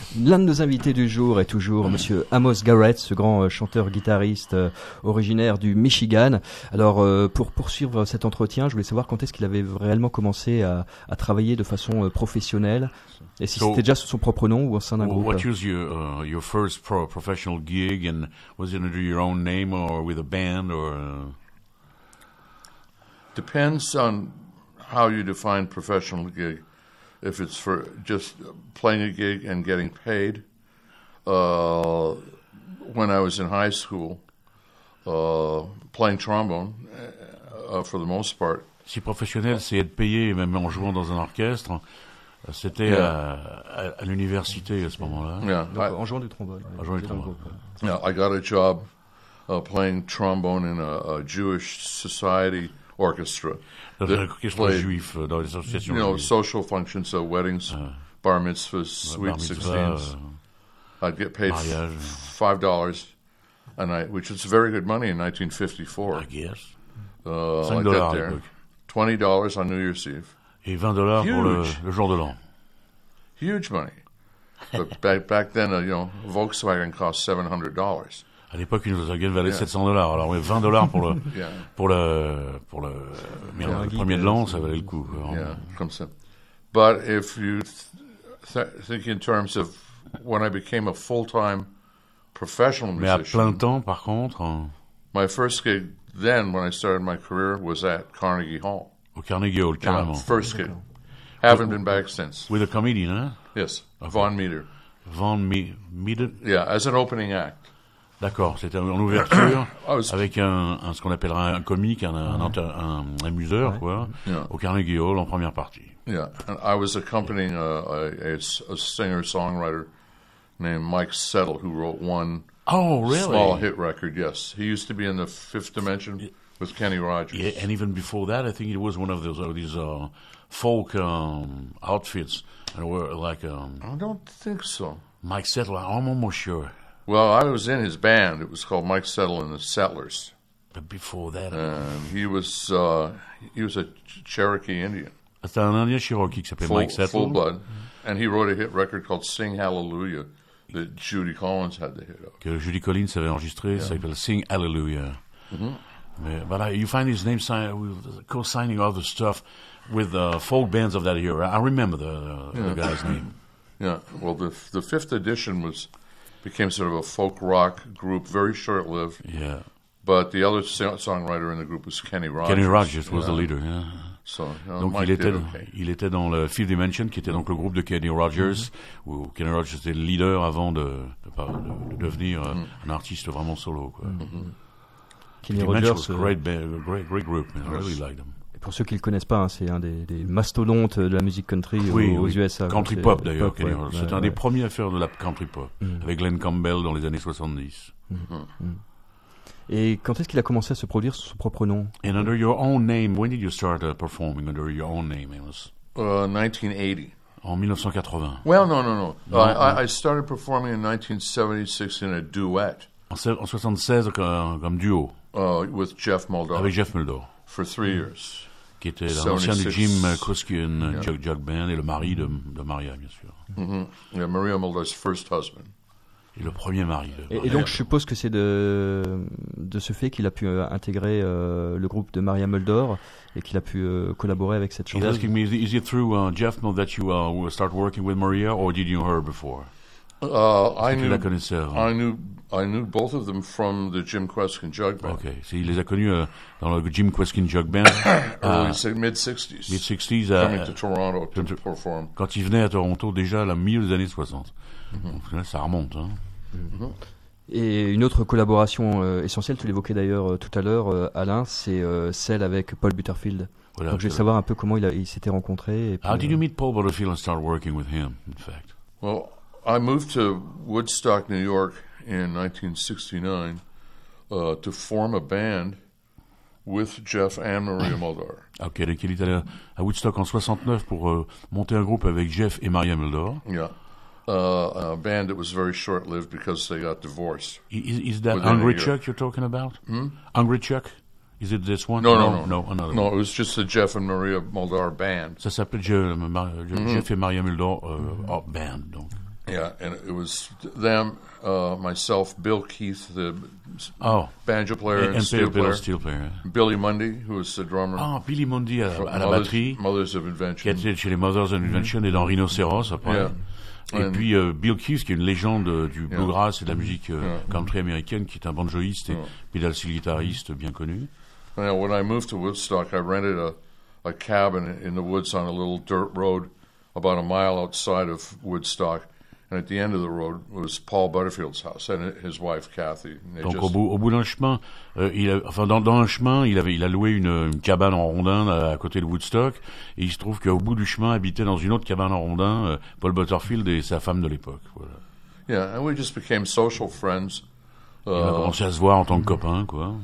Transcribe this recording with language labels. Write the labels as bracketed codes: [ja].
[fr] L'un de nos invités du jour est toujours Monsieur Amos Garrett, ce grand chanteur-guitariste originaire du Michigan. Alors, pour poursuivre cet entretien, je voulais savoir quand est-ce qu'il avait réellement commencé à travailler de façon professionnelle. Et si c'était déjà sous son propre nom ou au sein d'un groupe. [en] What was your first professional gig, and was it under your own name or with a band? Or depends on how you define professional gig. If it's for just playing a gig and getting paid, when I was in high school, playing trombone, for the most part. [fr] Si professionnel, c'est être payé, même en jouant dans un orchestre. C'était à l'université à ce moment-là. Yeah, en jouant du trombone. En jouant du trombone. [en] Yeah, I got a job playing trombone in a Jewish society orchestra. [fr] Dans un orchestre juif, dans les associations. [en] You know, social functions, so weddings, bar mitzvahs, sweet 16s. I'd get paid $5 a night, which is very good money in 1954. I guess. $5 there. $20 on New Year's Eve. [fr] Et $20 pour le jour de l'an. [en] Huge money. But back then, you know, Volkswagen cost $700. [fr] À l'époque, une Volkswagen valait $700. Alors, oui, $20 pour le premier de l'an, ça valait le coup. Yeah, comme ça. [en] But if you think in terms of when I became a full-time professional musician. [fr] Mais à plein temps, par contre. [en] My first gig then, when I started my career, was at Carnegie Hall. [fr] Au Carnegie Hall, carrément. [en] Yeah, first kid. Haven't been back since. With a comedian, huh? Yes. Okay. Von Meter. Von Meter? Yeah, as an opening act. [fr] D'accord, c'était en ouverture, avec un ce qu'on appellera un comique, un amuseur, quoi, au Carnegie Hall, en première partie. [en] Yeah, and I was accompanying a singer-songwriter named Mike Settle, who wrote one small hit record, yes. He used to be in the Fifth Dimension with Kenny Rogers. Yeah, and even before that, I think it was one of those folk outfits, and were like... I don't think so. Mike Settle, I'm almost sure. Well, I was in his band. It was called Mike Settle and the Settlers. But before that... He was a Cherokee Indian. [fr] C'était un Indien Cherokee qui s'appelait Mike Settle. [en] Full blood. And he wrote a hit record called Sing Hallelujah that Judy Collins had the hit of. [fr] Que Judy Collins avait enregistré, ça s'appelle Sing Hallelujah. Mm-hmm. [en] But you find his name co-signing all the stuff with the folk bands of that era. I remember the guy's name. Yeah, well, the Fifth Edition became sort of a folk rock group, very short-lived. Yeah. But the other songwriter in the group was Kenny Rogers. Kenny Rogers was the leader, yeah. So, [fr] donc, il était dans le Fifth Dimension, qui était donc le groupe de Kenny Rogers, où Kenny Rogers était le leader avant de devenir un artiste vraiment solo, quoi. Mm-hmm. [en] Kenny Rogers, great group, man. I really liked them. [fr] Pour ceux qui ne le connaissent pas, hein, c'est un des mastodontes de la musique country aux USA. Country pop, d'ailleurs. C'est un des premiers à faire de la country pop, avec Glenn Campbell dans les années 70. Et quand est-ce qu'il a commencé à se produire sous son propre nom? [en] And under your own name, when did you start performing under your own name, Amos? 1980. [fr] En 1980. [en] Well, no. I started performing in 1976 in a duet. [fr] En 76, comme duo. [en] With Jeff Muldaur. [fr] Avec Jeff Muldaur. [en] For 3 years. [fr] Qui était l'ancien de Jim Kruskian, Jug Band, et le mari de Maria, bien sûr. [en] Mm-hmm. Yeah, Maria Muldaur's first husband. [fr] Et le premier mari de Maria. Et donc, je suppose que c'est de ce fait qu'il a pu intégrer le groupe de Maria Muldaur et qu'il a pu collaborer avec cette chanteuse. [en] He's asking me, is it through Jeff Muldaur that you start working with Maria, or did you know her before? I knew both of them from the Jim Kweskin Jug Band. Okay, so he [fr] les a connus dans le Jim Kweskin Jug Band. [en] Mid-60s. Coming to Toronto to perform. [fr] Quand il venait à Toronto, déjà à la milieu des années 60. Mm-hmm. Donc là, ça remonte. Hein. Mm-hmm. Et une autre collaboration essentielle, tu l'évoquais d'ailleurs tout à l'heure, Alain, c'est celle avec Paul Butterfield. Voilà, donc je vais savoir un peu comment il s'était rencontré. Et puis, [en] how did you meet Paul Butterfield and start working with him, in fact? Well, I moved to Woodstock, New York in 1969 to form a band with Jeff and Maria Muldaur. [fr] OK, donc il est allé à Woodstock en 69 pour monter un groupe avec Jeff et Maria Muldaur. [en] Yeah. A band that was very short-lived because they got divorced. Is that Hungry Chuck you're talking about? Hungry Chuck? Is it this one? No, it was just the Jeff and Maria Muldaur band. [fr] Ça s'appelait Jeff et Maria Muldaur band, donc. [en] Yeah, and it was them, myself, Bill Keith, the banjo player and steel player. Billy Mundy, who was the drummer. [fr] Ah, Billy Mundy à la batterie. [en] Mothers of Invention. [fr] Qui était chez les Mothers of Invention et dans Rhinocéros, après. [en] Yeah. [fr] Et puis Bill Keith, qui est une légende du bluegrass et de la musique country américaine, qui est un banjoïste et pédalcile guitariste bien connu. [en] Well, when I moved to Woodstock, I rented a cabin in the woods on a little dirt road about a mile outside of Woodstock. And at the end of the road was Paul Butterfield's house and his wife Kathy. [fr] Donc au bout d'un chemin, il a loué une cabane en rondin à côté de Woodstock. Et il se trouve qu'au bout du chemin habitait dans une autre cabane en rondin Paul Butterfield et sa femme de l'époque. Voilà. [en] Yeah, and we just became social friends. [fr] On a commencé à se voir en tant que copains, quoi.